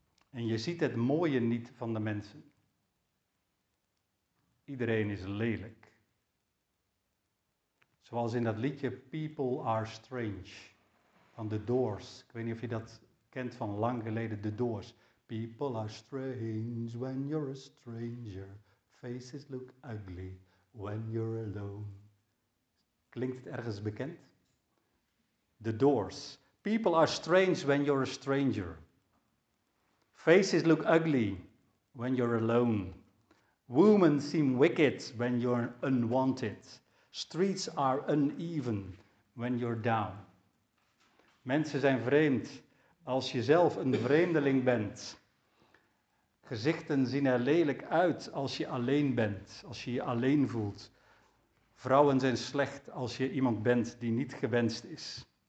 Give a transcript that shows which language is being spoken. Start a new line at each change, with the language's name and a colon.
Dutch: En je ziet het mooie niet van de mensen. Iedereen is lelijk. Zoals in dat liedje People Are Strange van The Doors. Ik weet niet of je dat kent van lang geleden, The Doors.
English: People are strange when you're a stranger. Faces look ugly when you're alone.
Dutch: Klinkt het ergens bekend? The Doors.
English: People are strange when you're a stranger. Faces look ugly when you're alone. Women seem wicked when you're unwanted. Streets are uneven when you're down.
Dutch: Mensen zijn vreemd als je zelf een vreemdeling bent. Gezichten zien er lelijk uit als je alleen bent, als je je alleen voelt. Vrouwen zijn slecht als je iemand bent die niet gewenst is.